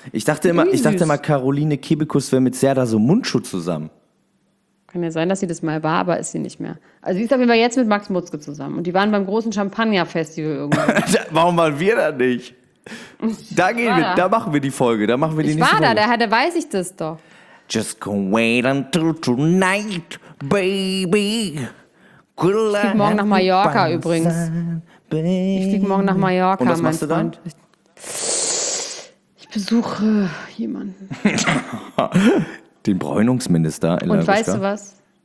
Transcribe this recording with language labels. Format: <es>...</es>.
<de>Ich dachte immer, Caroline Kebekus wäre mit Serdar so Mundschuh zusammen. Kann ja sein, dass sie das mal war, aber ist sie nicht mehr. Also, sie ist auf jeden Fall jetzt mit Max Mutzke zusammen. Und die waren beim großen Champagner-Festival irgendwann. Warum waren wir da nicht? Da gehen wir, da machen wir die Folge, da machen wir die nächste Folge. Ich war da, da weiß ich das doch.</de> <en>Just can wait until tonight, baby.</en> <de>Ich flieg morgen nach Mallorca übrigens. Ich flieg morgen nach Mallorca. Und was machst du dann? Ich besuche jemanden. Den Bräunungsminister in Lagoska. Und weißt du was?</de>